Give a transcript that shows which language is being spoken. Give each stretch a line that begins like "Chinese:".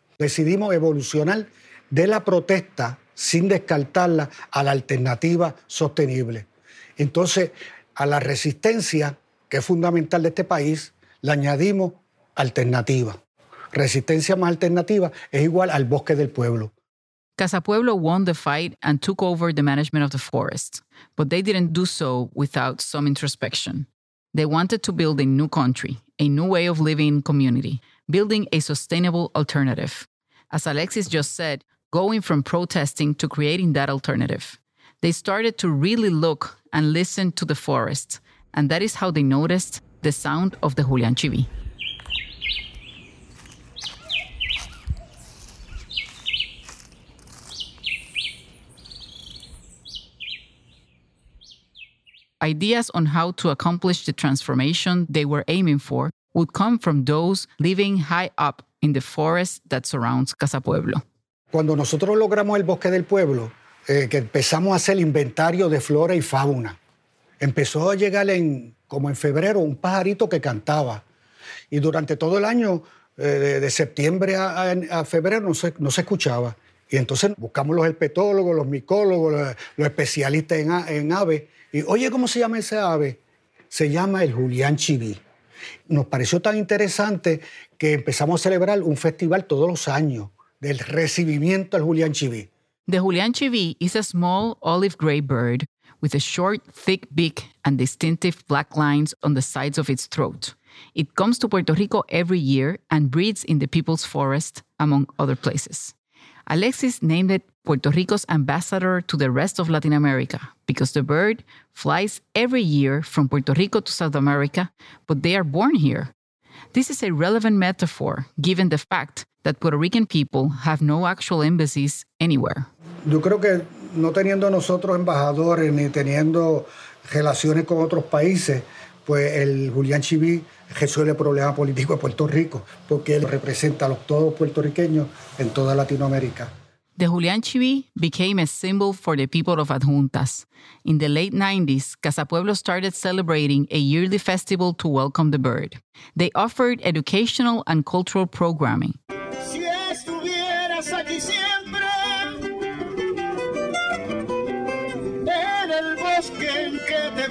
Spanish: Decidimos evolucionar de la protesta sin descartarla a la alternativa sostenible. Entonces, a la resistencia, que es fundamental de este país, le añadimos alternativa. Resistencia más alternativa es igual al Bosque del Pueblo.
English: Casa Pueblo won the fight and took over the management of the forest, but they didn't do so without some introspection. They wanted to build a new country, a new way of living in community, building a sustainable alternative. As Alexis just said, going from protesting to creating that alternative, they started to really look and listen to the forest, and that is how they noticed the sound of the Julianchibi. Ideas on how to accomplish the transformation they were aiming for would come from those living high up in the forest that surrounds Casa Pueblo.
Spanish: Cuando nosotros logramos el Bosque del Pueblo, que empezamos a hacer inventario de flora y fauna, empezó a llegar en, como en febrero, un pajarito que cantaba. Y durante todo el año, de septiembre a febrero, no se escuchaba. Y entonces buscamos los herpetólogos, los micólogos, los especialistas en aves. Y oye, ¿cómo se llama ese ave? Se llama el Julianchibi. Nos pareció tan interesante que empezamos a celebrar un festival todos los años del recibimiento al Julianchibi.
English: The Julianchibi is a small olive-gray bird with a short, thick beak and distinctive black lines on the sides of its throat. It comes to Puerto Rico every year and breeds in the People's Forest, among other places. Alexis named it Puerto Rico's ambassador to the rest of Latin America because the bird flies every year from Puerto Rico to South America, but they are born here. This is a relevant metaphor given the fact that Puerto Rican people have no actual embassies anywhere.
Spanish: Yo creo que no teniendo nosotros embajadores ni teniendo relaciones con otros países, pues el Julianchibi resuelve el problema político de Puerto Rico porque él representa a los todos puertorriqueños en toda Latinoamérica.
English: The Julianchibi became a symbol for the people of Adjuntas. In the late 90s, Casa Pueblo started celebrating a yearly festival to welcome the bird. They offered educational and cultural programming.
Spanish: Si estuvieras aquí siempre, en el bosque en que